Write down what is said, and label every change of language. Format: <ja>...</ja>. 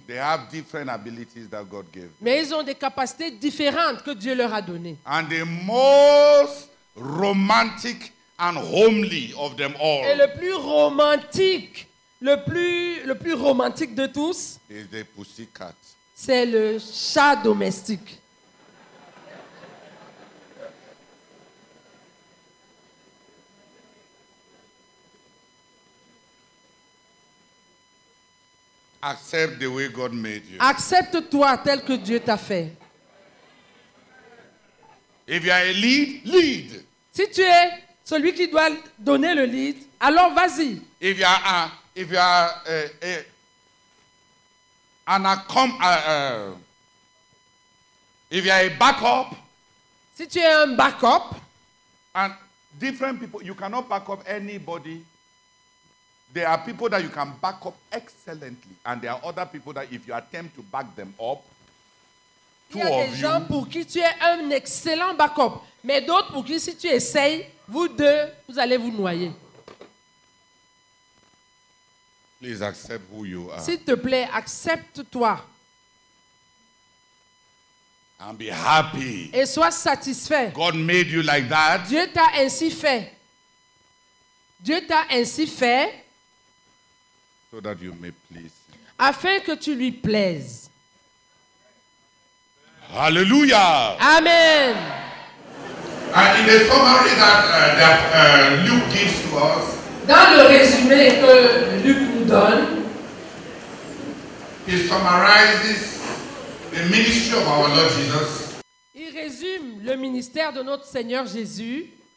<en>They have different abilities that God gave them.</en> <fr>Mais ils ont des capacités différentes que Dieu leur a données.</fr> <en>And the most romantic and homely of them all.</en> <fr>Et le plus romantique de tous.</fr> <en>Is the pussycat.</en> <fr>C'est le chat domestique.</fr> <en>Accept the way God made you.</en> <fr>Accepte-toi tel que Dieu t'a fait.</fr> <en>If you are a lead, lead.</en> <fr>Si tu es celui qui doit donner le lead, alors vas-y.</fr> <en>If you are if you are a backup.</en> <fr>Si tu es un backup.</fr> <en>And different people, you cannot back up anybody. There are people that you can back up excellently, and there are other people that if you attempt to back them up, two of you.</en> <fr>Il y a des gens pour qui tu es un excellent backup, mais d'autres pour qui si tu essayes, vous deux, vous allez vous noyer.</fr> <en>Please accept who you are.</en> <fr>S'il te plaît, accepte-toi.</fr> <en>And be happy.</en> <fr>Et sois satisfait.</fr> <en>God made you like that.</en> <fr>Dieu t'a ainsi fait. Dieu t'a ainsi fait.</fr> <en>So that you may please.</en> <fr>Afin que tu lui plaises.</fr> <en>Hallelujah.</en> <fr>Amen.</fr> <en>And in the summary that Luke gives to us.</en> <fr>Dans le résumé que Luc nous donne.</fr> <en>He summarizes the ministry of our Lord Jesus.</en> <fr>Il résume le ministère de notre Seigneur Jésus.</fr>